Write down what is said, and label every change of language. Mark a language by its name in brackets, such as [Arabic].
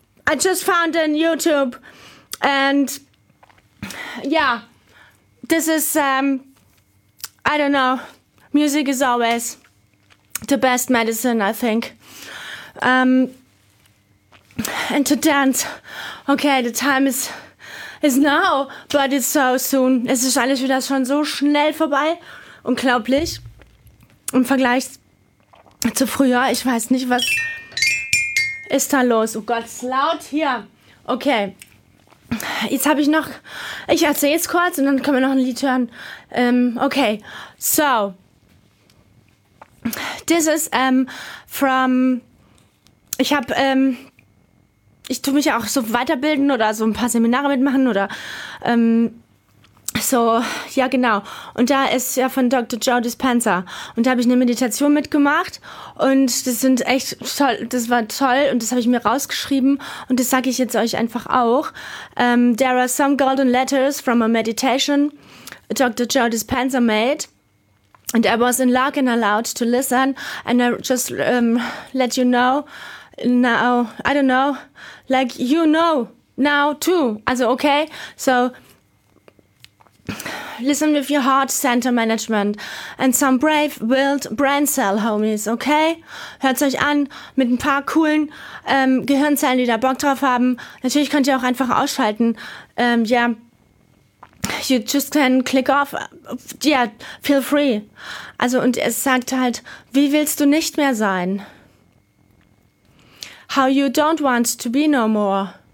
[English] I just found it on YouTube. And yeah, this is, I don't know. Music is always the best medicine, I think. And to dance. Okay, the time is now, but it's so soon. [German] Es ist alles wieder schon so schnell vorbei. Unglaublich. Im Vergleich zu früher, ich weiß nicht, was ist da los? Oh Gott, ist laut hier. Okay, jetzt habe ich noch, ich erzähle es kurz und dann können wir noch ein Lied hören. Okay, so. [English] This is from, [German] ich habe, ich tue mich auch so weiterbilden oder so ein paar Seminare mitmachen oder so, ja genau. Und da ist ja von Dr. Joe Dispenza. Und da habe ich eine Meditation mitgemacht. Und das sind echt toll, das war toll. Und das habe ich mir rausgeschrieben. Und das sage ich jetzt euch einfach auch. [English] There are some golden letters from a meditation Dr. Joe Dispenza made. And I was in luck and allowed to listen. And I just let you know now, I don't know, like you know now too. [German] Also okay, so... [English] Listen with your heart center management and some brave wild brain cell homies, okay? [German] Hört es euch an mit ein paar coolen Gehirnzellen, die da Bock drauf haben. Natürlich könnt ihr auch einfach ausschalten. [English] Yeah, you just can click off. Yeah, feel free. [German] Also, und es sagt halt, wie willst du nicht mehr sein? [English] How you don't want to be no more.